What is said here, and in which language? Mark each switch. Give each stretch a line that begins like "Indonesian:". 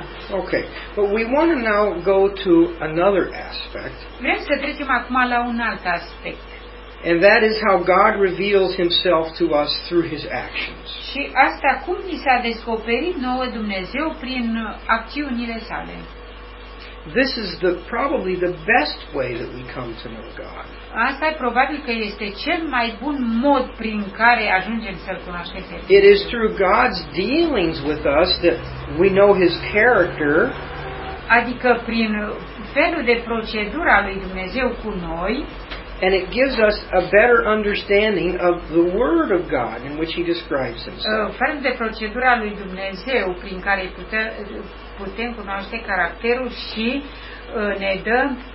English: Okay, but we want to now go to another aspect.
Romanian: Vrem să trecem acum la un alt aspect.
English: And that is how God reveals himself to us through his actions.
Romanian: Și asta cum ni s-a descoperit nouă Dumnezeu prin acțiunile sale.
English: this is the probably the best way that we come to know God.
Romanian: Asta e probabil că este cel mai bun mod prin care ajungem să-l cunoaștem.
English: It is through God's dealings with us that we know His character.
Romanian: Adică prin felul de procedură a lui Dumnezeu cu noi.
English: And it gives us a better understanding of the Word of God in which He describes Himself.
Romanian: Fără de procedura lui Dumnezeu prin care putem cunoaște caracterul și ne dă